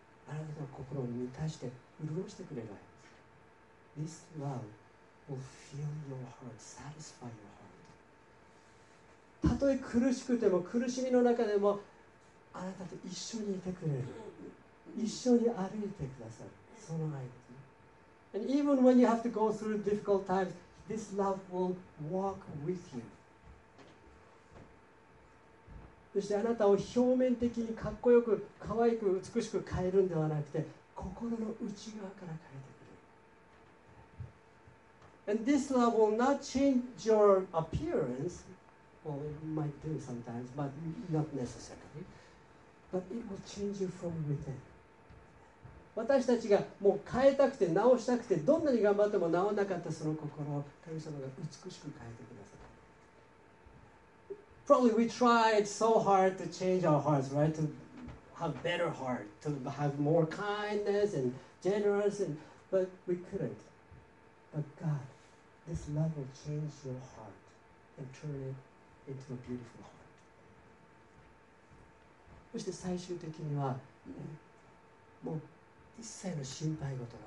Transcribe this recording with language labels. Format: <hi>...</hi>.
<ja>あなたの心を満たして潤してくれる愛です。</ja> <en>This love will fill your heart, satisfy your heart.</en> <ja>たとえ苦しくても、苦しみの中でも、あなたと一緒にいてくれる。一緒に歩いてくださる。その愛です。</ja> <en>And even when you have to go through difficult times, This love will walk with you.</en> <ja>そしてあなたを表面的にかっこよく、かわいく、美しく変えるんではなくて、心の内側から変えてくる。</ja> <en>And this love will not change your appearance. Well, it might do sometimes, but not necessarily. But it will change you from within.</en> <ja>私たちがもう変えたくて直したくてどんなに頑張っても直らなかったその心を神様が美しく変えてください。</ja> <en>Probably we tried so hard to change our hearts, right? To have better heart, to have more kindness and generous, and, but we couldn't. But God, this love will change your heart and turn it into a beautiful heart.</en> <ja>そして最終的にはもう一切の心配事がない。</ja>